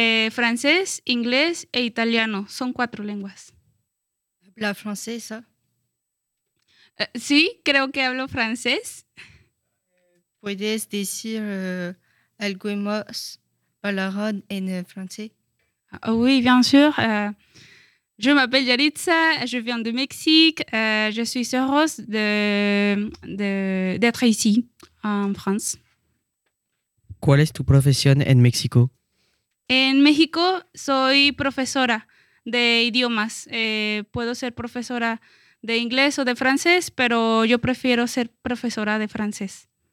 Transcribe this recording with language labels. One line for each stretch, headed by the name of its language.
Spanish: Francés, inglés e italiano. Son 4 lenguas. ¿Habla francés? Sí, creo que hablo francés. ¿Puedes decir algunas palabras en francés?
French: Oui, bien sûr. Je m'appelle Jaritza, je viens du Mexique. Je suis heureuse d'être ici, en France.
Spanish: ¿Cuál es tu profesión en México? En México soy profesora de idiomas. Puedo ser profesora de inglés o de francés, pero yo prefiero ser profesora de francés.